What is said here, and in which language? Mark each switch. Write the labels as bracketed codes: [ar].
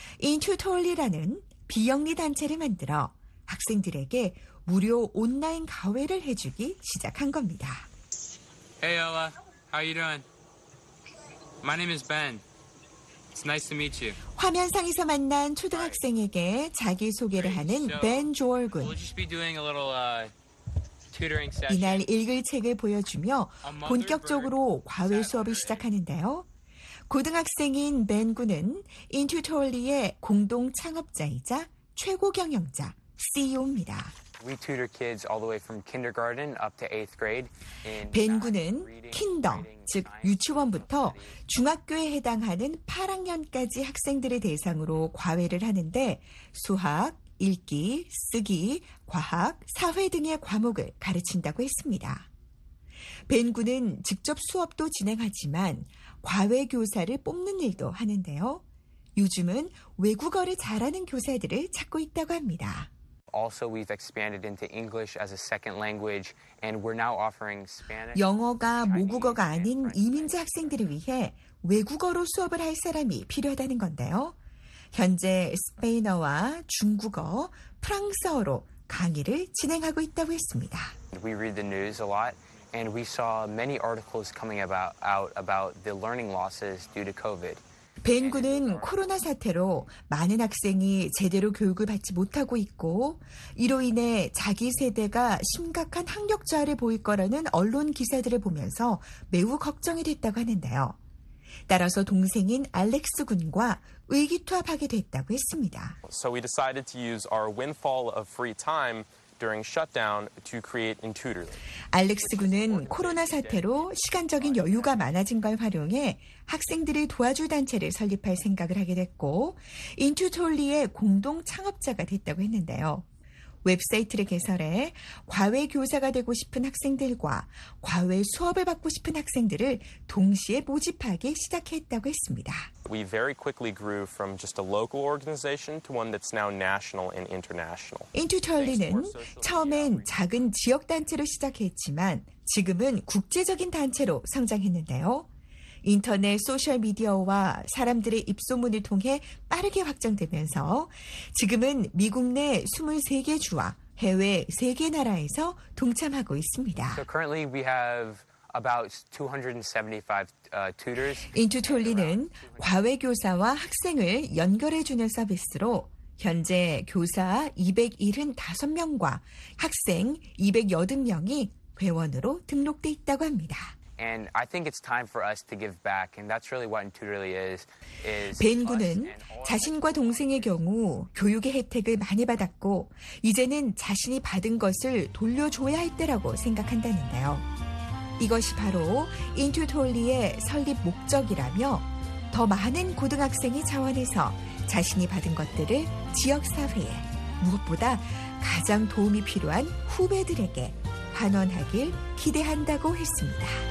[ko] 인튜토리라는 비영리 단체를 만들어 학생들에게 무료 온라인 과외를 해주기 시작한 겁니다. [en] Hey Ella, how you doing? My name is Ben. It's nice to meet you. [ko] 화면상에서 만난 초등학생에게 자기 소개를 하는 벤 조얼 군. [en] We'll just be doing a little tutoring session. [ko] 이날 읽을 책을 보여주며 본격적으로 과외 수업을 시작하는데요. 고등학생인 벤 군은 인튜토리의 공동 창업자이자 최고 경영자 CEO입니다. [en] We tutor kids all the way from kindergarten up to eighth grade. [ko] 벤 군은 킨더, 즉 유치원부터 중학교에 해당하는 8학년까지 학생들을 대상으로 과외를 하는데 수학, 읽기, 쓰기, 과학, 사회 등의 과목을 가르친다고 했습니다. 벤 군은 직접 수업도 진행하지만 과외 교사를 뽑는 일도 하는데요. 요즘은 외국어를 잘하는 교사들을 찾고 있다고 합니다. [en] Also, we've expanded into English as a second language, and we're now offering Spanish. [ko] 영어가 모국어가 아닌 이민자 학생들을 위해 외국어로 수업을 할 사람이 필요하다는 건데요. 현재 스페인어와 중국어, 프랑스어로 강의를 진행하고 있다고 했습니다. [en] We read the news a lot, and we saw many articles coming out about the learning losses due to COVID. [ko] 벤 군은 코로나 사태로 많은 학생이 제대로 교육을 받지 못하고 있고 이로 인해 자기 세대가 심각한 학력 저하를 보일 거라는 언론 기사들을 보면서 매우 걱정이 됐다고 하는데요. 따라서 동생인 알렉스 군과 의기투합하게 됐다고 했습니다. [en] So we decided to use our windfall of free time during shutdown to create Intutorly. [ko] 알렉스 군은 코로나 사태로 시간적인 여유가 많아진 걸 활용해 학생들을 도와줄 단체를 설립할 생각을 하게 됐고 Intutorly의 공동 창업자가 됐다고 했는데요. 웹사이트를 개설해 과외 교사가 되고 싶은 학생들과 과외 수업을 받고 싶은 학생들을 동시에 모집하기 시작했다고 했습니다. [en] We very quickly grew from just a local organization to one that's now national and international. [ko] Intutorly는 처음엔 작은 지역 단체로 시작했지만 지금은 국제적인 단체로 성장했는데요. 인터넷 소셜미디어와 사람들의 입소문을 통해 빠르게 확장되면서 지금은 미국 내 23개 주와 해외 3개 나라에서 동참하고 있습니다. [en] So currently we have about 275 tutors. [ko] 인튜톨리는 과외 교사와 학생을 연결해 주는 서비스로 현재 교사 275명과 학생 280명이 회원으로 등록돼 있다고 합니다. [en] And I think it's time for us to give back, and that's really what Intutorly is. [ko] 벤 군은 자신과 동생의 경우 교육의 혜택을 많이 받았고 이제는 자신이 받은 것을 돌려줘야 할 때라고 생각한다는데요. 이것이 바로 Intutorly의 설립 목적이라며 더 많은 고등학생이 자원해서 자신이 받은 것들을 지역 사회에 무엇보다 가장 도움이 필요한 후배들에게 환원하길 기대한다고 했습니다.